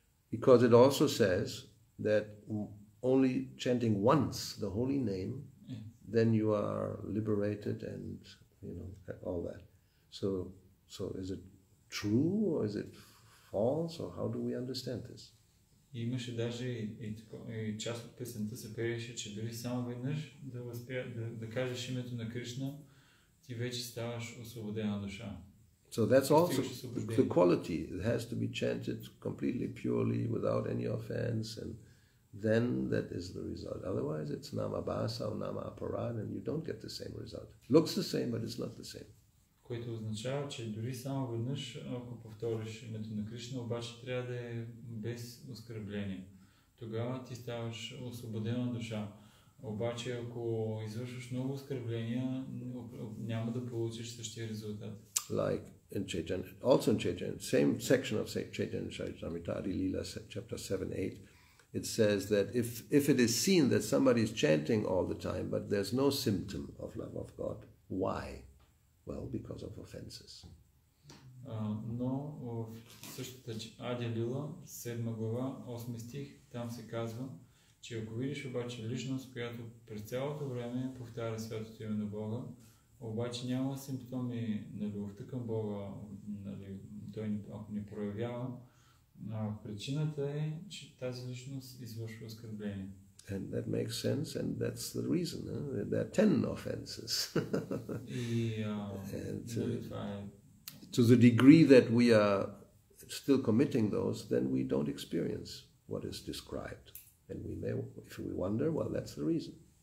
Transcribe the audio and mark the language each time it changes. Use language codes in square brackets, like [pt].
[en] Because it also says that only chanting once the holy name, then you are liberated and, you know, all that. So is it true or is it false or how do we understand this? [bg] Имаше даже и част от песента се пееше, че дори само веднъж да кажеш името на Кришна, ти вече ставаш освободена душа. [en] So that's also the quality. It has to be chanted completely, purely, without any offense and then that is the result. Otherwise it's nama basa or nama aparad and you don't get the same result. Looks the same, but it's not the same. [bg] Което означава, че дори само веднъж, ако повториш името на Кришна, обаче трябва да е без оскърбление. Тогава ти ставаш освободена душа. Обаче ако извършваш много оскърбления, няма да получиш същия резултат. [en] Like in Chaitanya, also in Chaitanya, same section of Chaitanya Charitamrita, Adi Lila, chapter 7-8, it says that if it is seen that somebody is chanting all the time, but there's no symptom of love of God, why? Well, because of offenses. [bg] Но в същата Адя Лила, 7 глава, 8 стих, там се казва, че ако видиш обаче личност, която през цялото време повтаря святото име на Бога, обаче няма симптоми на любовта към Бога, нали, той не проявява, но причината е, че тази личност извършва оскърбление. [en] And that makes sense, and that's the reason. Eh? There are 10 offenses. and to the degree that we are still committing those, then we don't experience what is described. And we may, if we wonder, well, that's the reason.